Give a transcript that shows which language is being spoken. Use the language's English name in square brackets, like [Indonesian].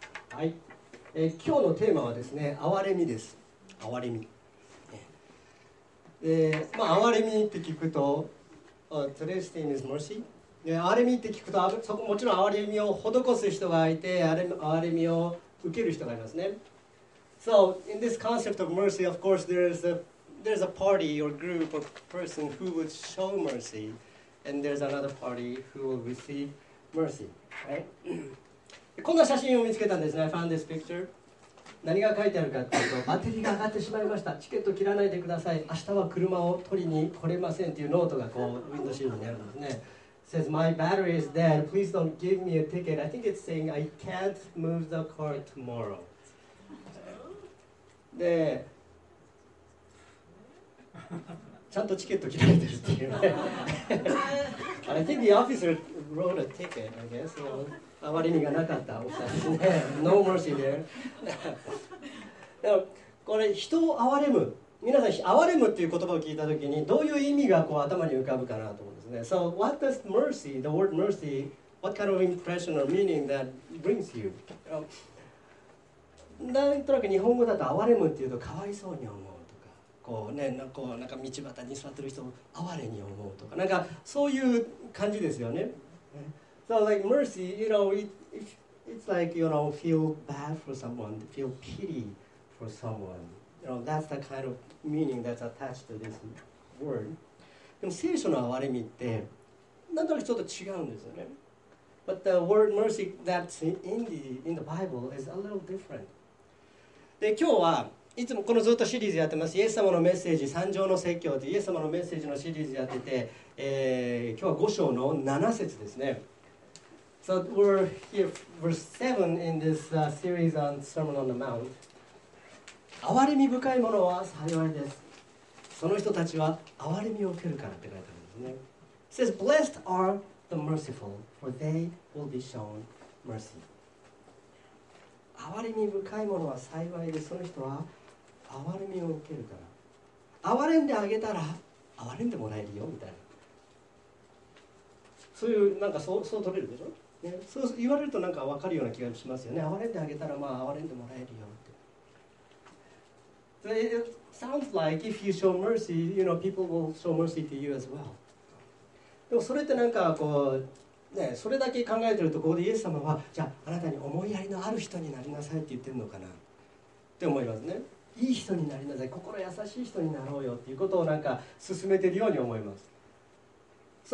[Japanese] はい、今日のテーマはですね、憐れみです。憐れみ、まあ、憐れみって聞くと、トレスティングスモシー、憐れみって聞くと、もちろん憐れみを施す人がいて、憐れみを受ける人がいますね。 [English] So in this concept of mercy, of course there's a party or group of person who would show mercy, and there's another party who will receive mercy, right? [Japanese] こんな写真を見つけたんですね。 [English] I found this picture. [Japanese] 何が書いてあるかというと、バッテリーが上がってしまいました、チケット切らないでください、明日は車を取りに来れませんというノートがこうウィンドシールにあるんですね。 [English] It says my battery is dead, please don't give me a ticket. I think it's saying I can't move the car tomorrow. [Japanese] でちゃんとチケット切られてるっていうね。 [English] I think the officer wrote a ticket, I guess. [Japanese] So, 憐れみがなかったお二人ですね。 [English] No mercy there. [Japanese] でもこれ、人を憐れむ。皆さん、憐れむっていう言葉を聞いたときに、どういう意味がこう頭に浮かぶかなと思うんですね。 [English] So, what does mercy, the word mercy, what kind of impression or meaning that brings you? [Japanese] なんとなく日本語だと、憐れむっていうと、かわいそうに思う。こうね、こうなんか道端に座ってる人を哀れに思うとか、なんかそういう感じですよね。 [English] So like mercy, you know, it's like, you know, feel bad for someone, feel pity for someone. You know, that's the kind of meaning that's attached to this word. [Japanese] でも聖書の哀れみって、なんとなくちょっと違うんですよね。 [English] But the word mercy that's in the Bible is a little different. [Japanese] で、今日は、いつもこのずっとシリーズやってます、イエス様のメッセージ三条の説教というイエス様のメッセージのシリーズやってて、今日は5章の7節ですね。 [English] So we're here verse 7 in this series on Sermon on the Mount. [Japanese] 憐れみ深いものは幸いです、その人たちは憐れみを受けるからって書いてあるんですね。 [English] It says blessed are the merciful, for they will be shown mercy. [Japanese] 憐れみ深いものは幸いです、その人は憐れみを受けるから、憐れんであげたら憐れんでもらえるよみたいな、そういう、なんかそう取れるでしょ、ね、そう言われるとなんか分かるような気がしますよね。憐れんであげたら、まあ、憐れんでもらえるよって。 [English] So it sounds like if you show mercy, you know, people will show mercy to you as well. [Japanese] でもそれってなんかこうね、それだけ考えてると、ここでイエス様はじゃああなたに思いやりのある人になりなさいって言ってるのかなって思いますね。いい人になりなさい、心優しい人になろうよっていうことをなんか進めてるように思います。